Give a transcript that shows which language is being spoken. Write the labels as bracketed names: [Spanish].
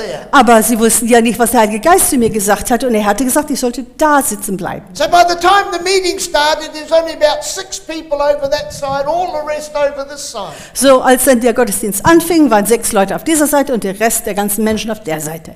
[German] Aber sie wussten ja nicht, was der Heilige Geist zu mir gesagt hat, und er hatte gesagt, ich sollte da sitzen bleiben. [English] So by the time the meeting started, there's only about 6 people over that side, all the rest over this side. [German] So als dann der Gottesdienst anfing, waren 6 Leute auf dieser Seite und der Rest der ganzen Menschen auf der Seite.